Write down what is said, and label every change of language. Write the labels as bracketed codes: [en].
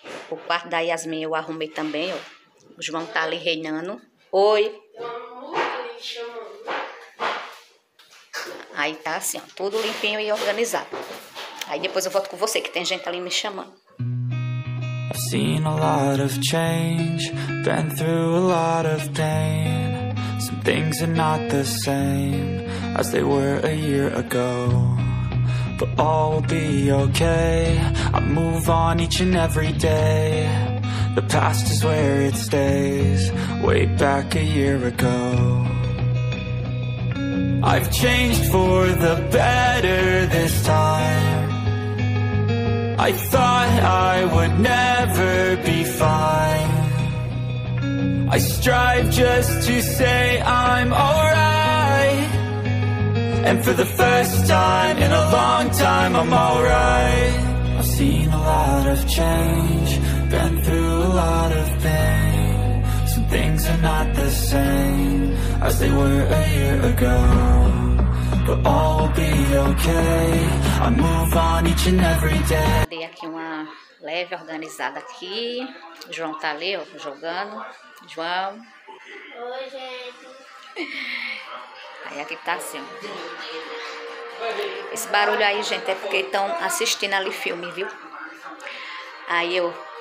[pt] O quarto da Yasmin eu arrumei também, ó. O João tá ali reinando. Oi. Aí tá assim, ó, tudo limpinho e organizado. Aí depois eu volto com você, que tem gente ali me chamando. [en] I've seen a lot of change, been through a lot of pain. Some things are not the same as they were a year ago. But all will be okay, I move on each and every day. The past is where it stays, way back a year ago. I've changed for the better this time. I thought I would never be fine. I strive just to say I'm alright. And for the first time in a long time, I'm alright. I've seen a lot of change, been through a lot of pain. Some things are not the same as they were a year ago. But all will be okay, I move on each and every day. [pt] Dei aqui uma leve organizada aqui. O João tá ali, ó, jogando. João. Oi, gente. Aí aqui tá assim, ó. Esse barulho aí, gente, é porque estão assistindo ali filme, viu? Aí eu...